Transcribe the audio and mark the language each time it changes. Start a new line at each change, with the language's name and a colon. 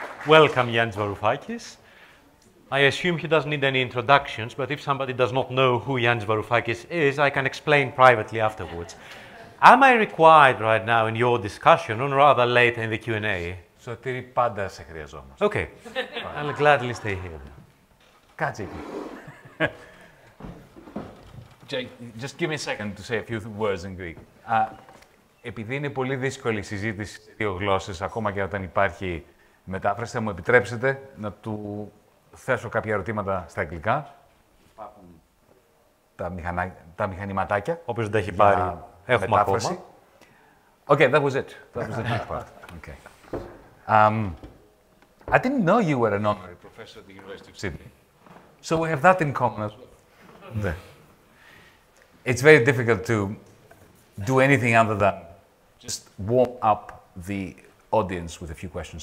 English: Welcome, Γιάνης Βαρουφάκης. I assume he doesn't need any introductions, but if somebody does not know who Γιάνης Βαρουφάκης is, I can explain privately afterwards. Am I required right now in your discussion, or rather later in the Q&A?
Greek: Σωτήρη, πάντα σε χρειαζόμαστε.
English: Okay. I'll gladly stay here.
Greek: Κάτσε εκεί.
English: Just give me a second to say a few words in Greek.
Greek: Επειδή είναι πολύ δύσκολη η συζήτηση σε δύο γλώσσες, ακόμα και όταν υπάρχει μετάφραση, θα μου επιτρέψετε να του θέσω κάποια ερωτήματα στα αγγλικά. Υπάρχουν τα μηχανηματάκια. Όπως δεν τα έχει πάρει, έχουμε μετάφραση. Ακόμα.
English: Okay, that was it. That was the first part. Okay. I didn't know you were an honorary professor at the University of Sydney. So we have that in common as well. It's very difficult to do anything other than just warm up the audience with a few questions.